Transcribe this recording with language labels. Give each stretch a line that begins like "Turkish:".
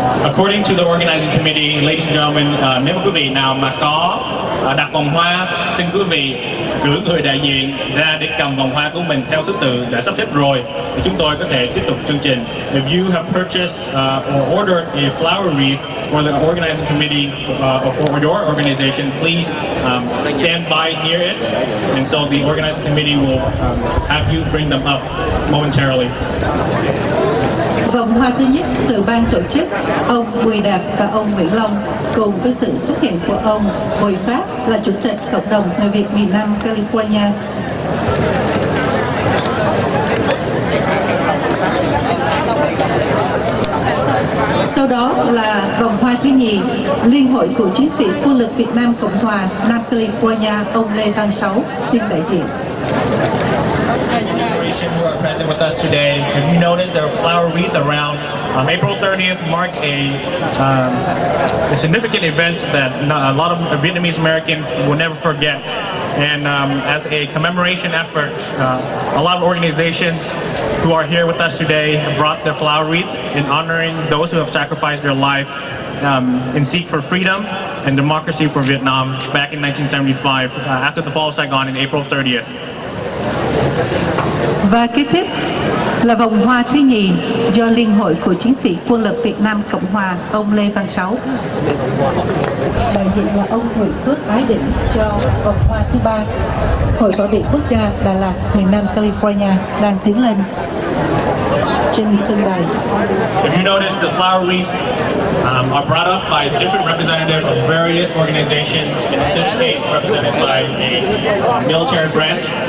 English: According to the organizing committee, ladies and gentlemen,
Vietnamese: nếu quý vị nào mà có đặt vòng hoa, xin quý vị cử người đại diện ra để cầm vòng hoa của mình theo thứ tự đã sắp xếp rồi thì chúng tôi có thể tiếp tục chương trình.
English: If you have purchased or ordered a flower wreath, for the organizing committee for your organization, please stand by near it. And so the organizing committee will have you bring them up momentarily.
Vietnamese: Vòng hoa thứ nhất từ ban tổ chức, ông Bùi Đạt và ông Nguyễn Long, cùng với sự xuất hiện của ông Bùi Pháp là chủ tịch cộng đồng người Việt miền Nam California. Sau đó là vòng hoa thứ nhì, Liên hội cựu chiến sĩ quân lực Việt Nam Cộng hòa Nam California, ông Lê Văn Sáu xin đại diện.
English: Who are present with us today. If you notice, there are flower wreaths around. April 30th marked a significant event that a lot of Vietnamese Americans will never forget. And as a commemoration effort, a lot of organizations who are here with us today brought their flower wreath in honoring those who have sacrificed their life in seek for freedom and democracy for Vietnam back in 1975 after the fall of Saigon in April 30th.
Vietnamese: Và kế tiếp là vòng hoa thứ nhì do Liên hội của chiến sĩ quân lực Việt Nam Cộng hòa ông Lê Văn Sáu. Đại diện là ông Nguyễn Phước Ái Định cho vòng hoa thứ ba, Hội bảo vệ quốc gia Đà Lạt, miền Nam California đang tiến lên trên sân đài.
English: If you notice, the flower wreath are brought up by different representatives of various organizations, in this case represented by a military branch.